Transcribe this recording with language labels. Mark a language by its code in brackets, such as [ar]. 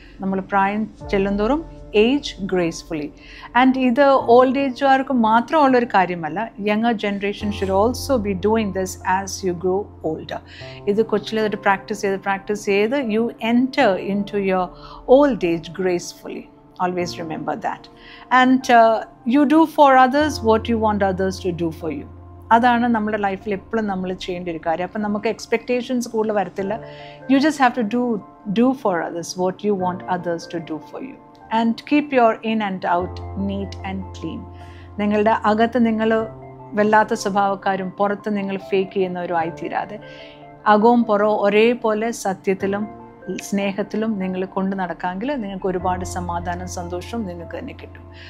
[ml] നമ്മൾ പ്രായം ചെല്ലുന്തോറും [en] Age gracefully. And [ml] ഇത് ഓൾഡ് ഏജുകാർക്ക് മാത്രമുള്ള ഒരു കാര്യമല്ല, [en] Younger generation should also be doing this as you grow older. [ml] ഇത് കൊച്ചിലേതായിട്ട് പ്രാക്ടീസ് ചെയ്ത് [en] You enter into your old age gracefully. Always remember that. And you do for others what you want others to do for you. [ml] അതാണ് നമ്മുടെ ലൈഫിൽ എപ്പോഴും നമ്മൾ ചെയ്യേണ്ട ഒരു കാര്യം. അപ്പം നമുക്ക് എക്സ്പെക്ടേഷൻസ് കൂടുതൽ വരത്തില്ല. [en] You just have to do for others what you want others to do for you. And keep your in and out neat and clean. [ml] നിങ്ങളുടെ അകത്ത് നിങ്ങൾ വല്ലാത്ത സ്വഭാവക്കാരും പുറത്ത് നിങ്ങൾ ഫേക്ക് ചെയ്യുന്നവരും ആയിത്തീരാതെ അകവും പുറവും ഒരേപോലെ സത്യത്തിലും സ്നേഹത്തിലും നിങ്ങൾ കൊണ്ട് നടക്കാമെങ്കിൽ നിങ്ങൾക്ക് ഒരുപാട് സമാധാനം സന്തോഷവും നിങ്ങൾക്ക് തന്നെ കിട്ടും.